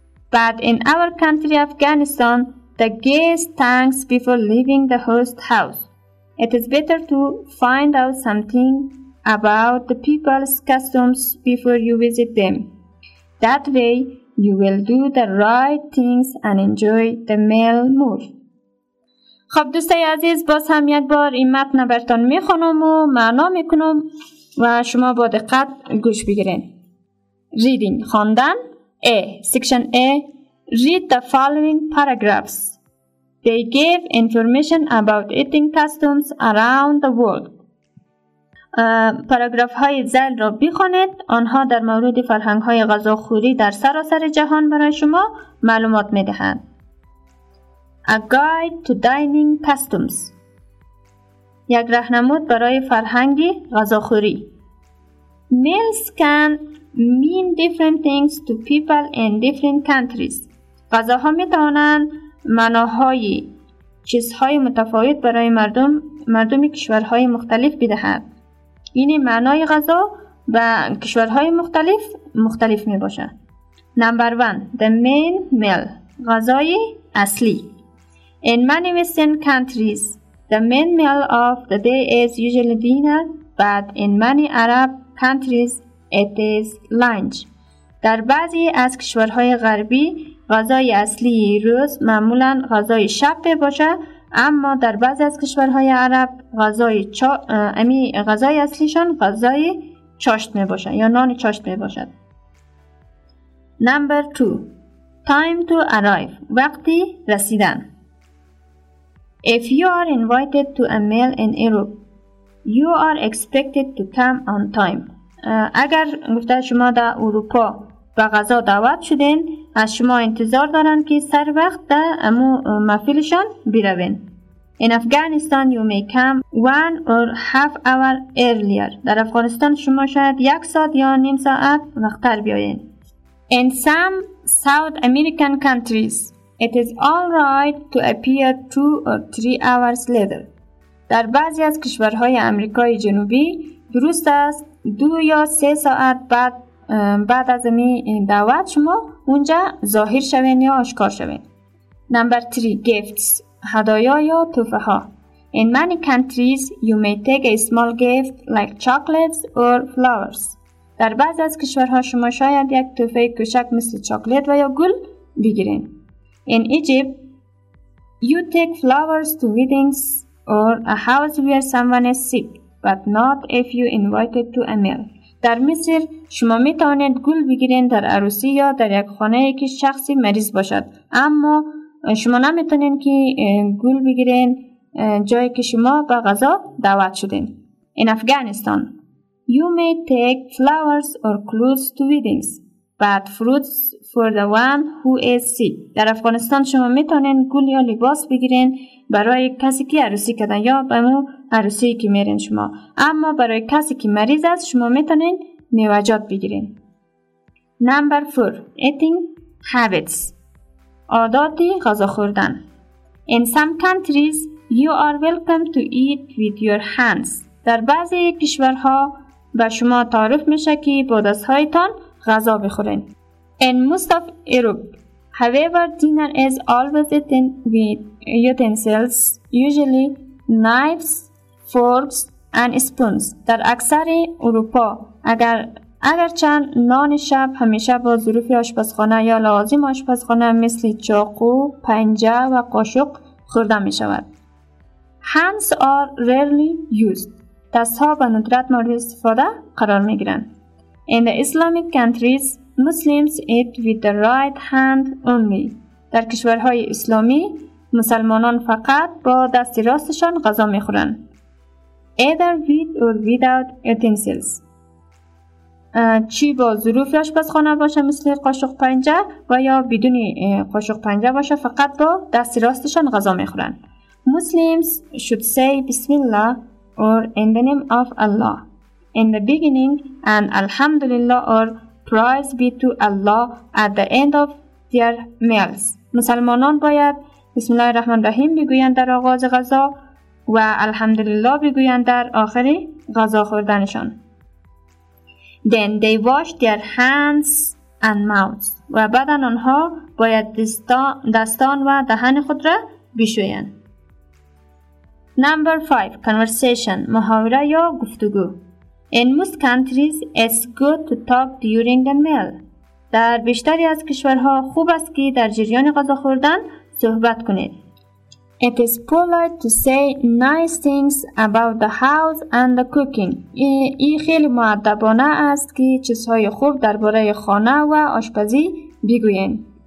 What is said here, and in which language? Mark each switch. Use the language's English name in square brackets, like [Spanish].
[English] But in our country, Afghanistan, the guest thanks before leaving the host house. It is better to find out something about the people's customs before you visit them. That way, you will do the right things and enjoy the meal more. [Persian] خب دوستای عزیز، باز هم یک بار این متن برتان میخونم و معنا میکنم و شما با دقت گوش بگیرین. [English] Reading خواندن. A. Section A. Read the following paragraphs. They gave information about eating customs around the world. [Persian] پاراگراف های زل را بخونید. آنها در مورد فرهنگ های غذاخوری در سراسر جهان برای شما معلومات میدهند. [English] A guide to dining customs. [Persian] یک رهنمود برای فرهنگ غذاخوری. [English] Meals can mean different things to people in different countries. [Persian] غذاها میتوانند معناهای چیزهای متفاوت برای مردم کشورهای مختلف بدهند. این معنای غذا به کشورهای مختلف می باشند. [English] Number 1. The main meal. [Persian] غذای اصلی. [English] In many Western countries, the main meal of the day is usually dinner, but in many Arab countries, it is lunch. [Persian] در بعضی از کشورهای غربی، غذای اصلی روز معمولا غذای شب می باشد، اما در بعضی از کشورهای عرب غذای اصلیشان غذای چاشتنه باشد یا نان چاشتنه باشد. [English] Number 2. Time to arrive. [Persian] وقتی رسیدن. [English] If you are invited to a meal in Europe, you are expected to come on time. [Persian] اگر گفته شما در اروپا به غذا دعوت شدین، از شما انتظار دارن که سر وقت در امو محفلشان بیروین. [English] In Afghanistan, you may come 1 or 1/2 hour earlier. [Persian] در افغانستان شما شاید 1 ساعت یا نیم ساعت وقت‌تر بیاین. [English] In some South American countries, it is all right to appear 2 or 3 hours later. [Persian] در بعضی از کشورهای آمریکای جنوبی درست است 2 یا 3 ساعت بعد از می دعوت شما اونجا ظاهر شوین یا آشکار شوین. [English] Number 3. Gifts. [Persian] هدایا یا تحفه ها. [English] In many countries, you may take a small gift like chocolates or flowers. [Persian] در بعضی از کشورها شما شاید یک تحفه کوچک مثل چاکلیت و یا گل بگیرین. [English] In Egypt, you take flowers to weddings or a house where someone is sick, but not if you invited to a meal. [Persian] در مصر شما می توانید گل بگیرین در عروسی یا در یک خانه که شخصی مریض باشد، اما شما نمی توانید که گل بگیرین جایی که شما به غذا دعوت شدین. [English] In Afghanistan, you may take flowers or clothes to weddings, but fruits for the one who is sick. [Persian] در افغانستان شما می توانید گل یا لباس بگیرین برای کسی که عروسی کردن یا به مو عروسی که میرین شما، اما برای کسی که مریض است شما می توانید میوه‌جات بگیرین. [English] Number 4. Eating habits. [Persian] عادات غذا خوردن. [English] In some countries, you are welcome to eat with your hands. [Persian] در بعضی کشورها به شما تعریف میشه که با دست‌هایتان غذا بخورین. [English] In most of Europe, however, dinner is always eaten with utensils, usually knives, forks, and spoons. [Persian] در اکثر اروپا، اگرچند نان شب همیشه با ظروف آشپزخانه یا لوازم آشپزخانه مثل چاقو، پنجه و قاشق خورده می شود. [English] Hands are rarely used. [Persian] دست‌ها به ندرت مورد استفاده قرار می گیرند. [English] In the Islamic countries, Muslims eat with the right hand only. [Persian] در کشورهای اسلامی مسلمانان فقط با دست راستشان غذا می خورند. [English] Either with or without utensils. [Persian] چی با ظروف آشپزخانه باشه مثل قاشق پنجه و یا بدون قاشق پنجه باشه فقط با دست راستشان غذا می خورند. [English] Muslims should say Bismillah or in the name of Allah in the beginning and Alhamdulillah or Praise be to Allah at the end of their meals. [Persian] مسلمانان باید بسم الله الرحمن الرحیم بگویند در آغاز غذا و الحمدلله بگویند در آخر غذا خوردنشان. [English] Then they wash their hands and mouths. [Persian] و بعد آنها باید دستان و دهن خود را بشویند. [English] Number 5. Conversation. [Persian] محاوره یا گفتگو. [English] In most countries, it's good to talk during the meal. [Persian] در بیشتری از کشورها خوب است که در جریان غذا خوردن صحبت کنید. [English] It is polite to say nice things about the house and the cooking. [Persian] این خیلی مؤدبانه است که چیزهای خوب درباره خانه و آشپزی بگویید.